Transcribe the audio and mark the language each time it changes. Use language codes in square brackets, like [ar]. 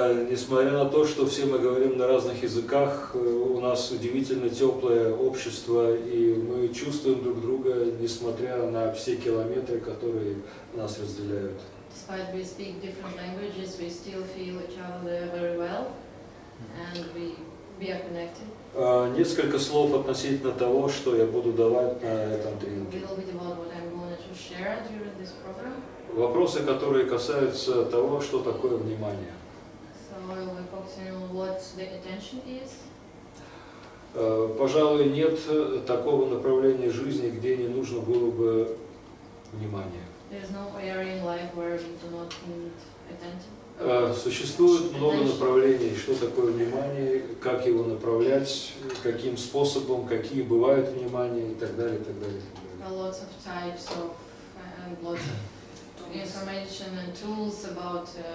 [ru] Несмотря на то, что все мы говорим на разных языках, у нас удивительно теплое общество, и мы чувствуем друг друга, несмотря на все километры, которые нас разделяют. [en] Despite we speak different languages, we still feel each other very well, and we are connected. [ru] Несколько слов относительно того, что я буду давать на этом тренинге. [en] A little bit about what I'm going to share during this program. [ru] Вопросы, которые касаются того, что такое внимание. [en] So we'll be focusing on what the attention is. [ru] Пожалуй, нет такого направления жизни, где не нужно было бы внимания. [en] There's no area in life where we do not need attention. [ru] Существует много направлений, что такое внимание, как его направлять, каким способом, какие бывают внимания и так далее, и так далее. [en] A lot of types of and lots of information and tools about